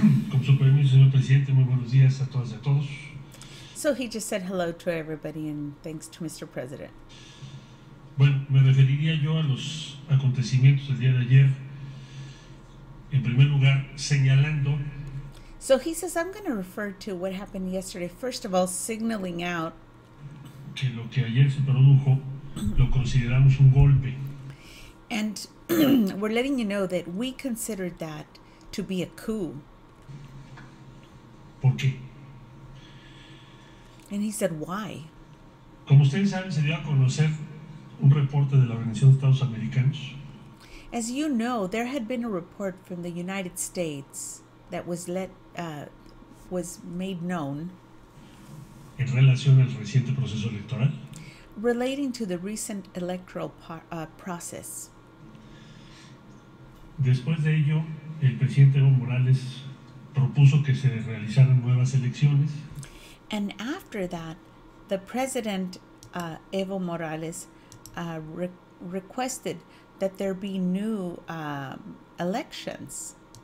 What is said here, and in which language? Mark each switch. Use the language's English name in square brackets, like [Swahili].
[Spanish] Con su permiso, señor presidente, muy buenos días a todas y a todos. [English] So he just said hello to everybody and thanks to Mr. President. [Spanish] Bueno, me referiría yo a los acontecimientos del día de ayer, en primer lugar, señalando. [English] So he says, I'm going to refer to what happened yesterday. First of all, signaling out. [Spanish] Que lo que ayer se produjo, lo consideramos un golpe. [English] And we're letting you know that we considered that to be a coup. [Spanish] ¿Por qué? [English] And he said, why? [Spanish] Como ustedes saben, se dio a conocer un reporte de la Organización de Estados Americanos. [English] As you know, there had been a report from the United States that was let was made known. [Spanish] En relación al reciente proceso electoral. [English] Relating to the recent electoral process. [Spanish] Después de ello, el presidente Evo Morales propuso que se realizaran nuevas elecciones. [English] And after that, the president, Evo Morales, requested that there be new elections.